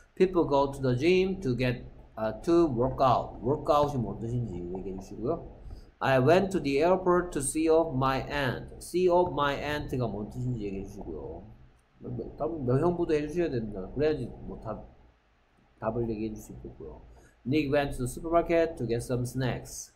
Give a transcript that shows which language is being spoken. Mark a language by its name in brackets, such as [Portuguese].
[English] People go to the gym to get, to work out. [Korean] Workout이 뭔 뜻인지 얘기해 주시고요. [English] I went to the airport to see off my aunt. See off my aunt [Korean] 가 뭔 뜻인지 얘기해 주시고요. 명형부도 해주셔야 됩니다. 그래야지 뭐 답을 얘기해 줄 수 있겠고요. [English] Nick went to the supermarket to get some snacks.